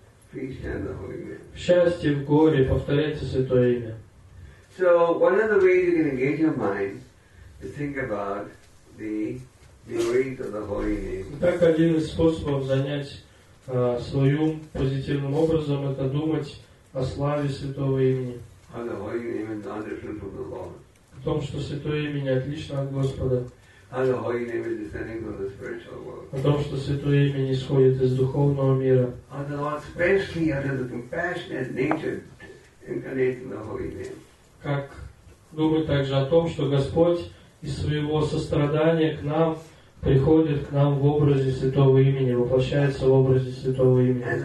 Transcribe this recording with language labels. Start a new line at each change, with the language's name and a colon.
Russian: В счастье, в горе, повторяйте святое имя.
English: So, one of the ways you can engage your mind to think about the glories of the Holy Name.
Russian: Так один из способов занять свой ум позитивным образом — это думать о славе святого имени.
English: How the Holy Name is not different from the Lord.
Russian: О том, что святое имя отлично от Господа.
English: How the Holy Name is descending from the spiritual world.
Russian: О том, что святое имя исходит из духовного мира.
English: How the Lord specially under the compassionate nature incarnates in the Holy Name.
Russian: Как думать также о том, что Господь из своего сострадания к нам приходит к нам в образе святого имени, воплощается в образе святого имени.